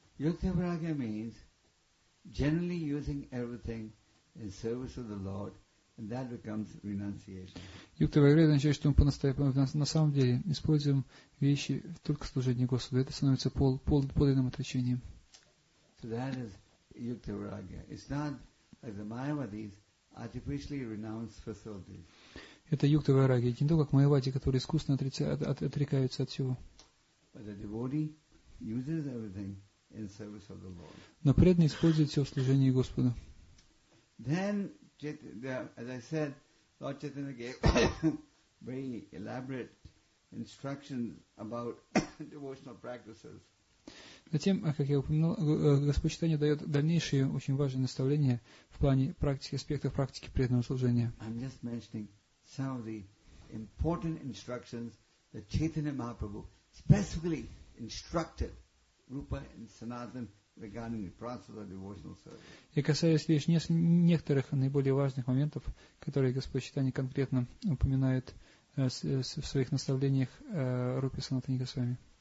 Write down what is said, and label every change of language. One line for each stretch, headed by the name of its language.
English: Yukta Vairagya means generally using everything in service of the Lord, and that becomes renunciation.
Russian: Yukta Vairagya означает, что мы по-настоящему на самом деле используем вещи только в служении Господу. Это становится подлинным отречением.
English: So that is Yukta Vairagya. It's not like the Mayavadis artificially renounce facilities.
Russian: Это Юкта Вайраги, не то, как майявади, которые искусственно отрекаются от всего. Но преданный использует все в служении Господу.
English: Then, as I said, Lord Chaitanya gave very elaborate instructions about devotional practices.
Russian: Затем, как я упомянул, Господь Читания дает дальнейшие очень важные наставления в плане практики, аспектов практики преданного служения.
English: I'm just mentioning some of the important instructions that Chaitanya Mahaprabhu specifically instructed Rupa and Sanatan regarding the process of devotional service.
Russian: Я касаюсь лишь некоторых наиболее важных моментов, которые Господь Читания конкретно упоминает в своих наставлениях Рупе Санатане Госвами.